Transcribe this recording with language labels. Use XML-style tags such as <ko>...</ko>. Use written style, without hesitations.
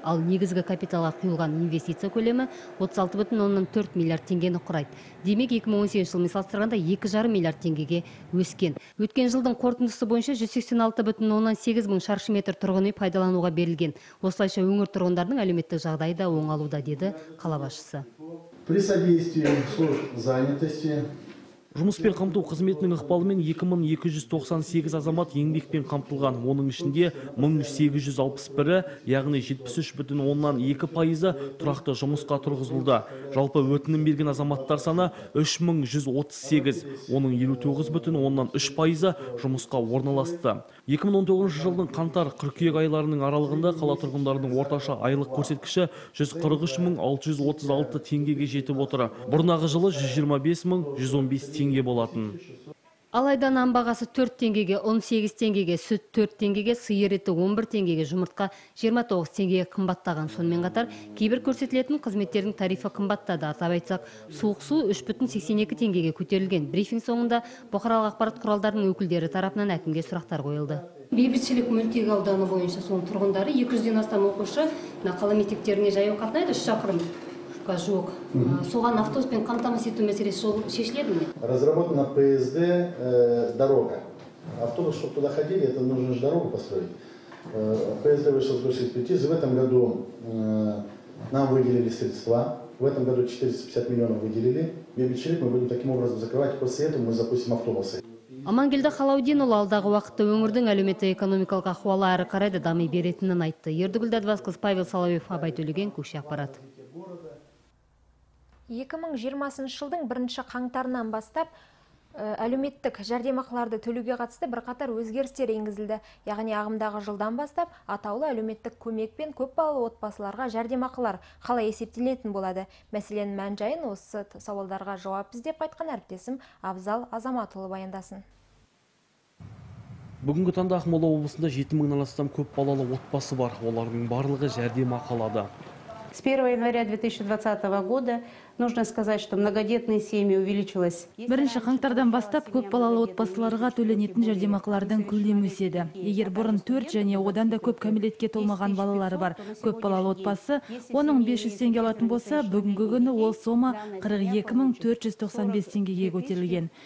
<kk>Ал негізгі капиталға құйылған инвестиция көлемі 36,4 миллиард теңгені құрайды. Демек 2018 жылмен салыстырғанда 2,5 миллиард теңгеге өскен. Өткен жылдың қорытындысы бойынша 186,8 мың шаршы метр тұрғын үй пайдалануға берілген. Осылайша өңір тұрғындарының әлеуметтік жағдайы да оңалуда, деді қала басшысы.</kk> <ru>При содействии служб занятости.</ru> <kk>Жұмыспен қамту қызметінің ықпалымен 2298 азамат еңбекпен қамтылған. Оның ішінде 1861, яғни 73,2% тұрақты жұмысқа тұрғызылды. Жалпы өтінім берген азаматтар саны 3138, оның 59,3% жұмысқа орналасты. 2019 жылдың қаңтар-қыркүйек айларының аралығында қала тұрғындарының орташа айлық көрсеткіші 143636 теңгеге жетіп отыр. Бұрынағы жылы 125115 теңге болатын. Алайда нан бағасы 4 теңгеге, 18 теңгеге, сүт 4 теңгеге, сиыр еті 11 теңгеге, жұмыртқа 29 теңгеге қымбаттаған. Сонымен қатар, кейбір көрсетілетін қызметтердің тарифі қымбаттады. Атап айтсақ, суық су 3,82 теңгеге көтерілген. Брифинг соңында бұқаралық ақпарат құралдарының өкілдері тарапынан әкімге сұрақтар қойылды. Бейбітшілік мөлтек ауданы бойынша соң тұрғындары 200-ден астам оқушы қала мектептеріне жаяу қатынайды, 3 шақырым. Соған автобуспен қамтамасыз ету мәселесі шешіледі ме?</kk> <ru>Разработана ПСД дорога. Автобус, чтобы туда ходили, это нужно же дорогу построить. ПСД вышел с 25. В этом году нам выделили средства. В этом году 450 миллионов выделили. Бейбітшілік мы будем таким образом закрывать. После этого мы запустим автобусы.</ru> <kk>Амангелді Халаудинұлы алдағы уақытта өңірдің әлеуметтік-экономикалық ахуалы әрі қарайды дами беретінін айтты. Ердігүлді Адвасқыз, Павел Соловьев, Абай Төлеген, Көкше ақпарат. 2020 жылдың 1-ші қаңтарынан бастап әлеуметтік жәрдемақыларды төлеуге қатысты бірқатар өзгерістер енгізілді. Яғни ағымдағы жылдан бастап атаулы әлеуметтік көмекпен көпбалалы отбасыларға жәрдемақылар қалай есептелетін болады. Мәселен мән-жайын осы сауалдарға жауап іздеп қайтқан әріптесім Абзал Азаматұлы баяндасын. Бүгінгі таңда Ақмола облысында 7000-нан астам көпбалалы отбасы бар. Олардың барлығы жәрдемақы алады.</kk> <ru>С 1 января 2020 года нужно сказать, что многодетные семьи увеличилось.</ru> <kk>Бірінші қаңтардан бастап көпбалалы отбасыларға төленетін жәрдемақылардың көлемі өседі. Егер бұрын 4 және одан да көп кәмелетке толмаған балалары бар көпбалалы отбасы, оның 500 теңге алатын болса, бүгінгі күні ол сома 42495 теңгеге көтерілген.</kk>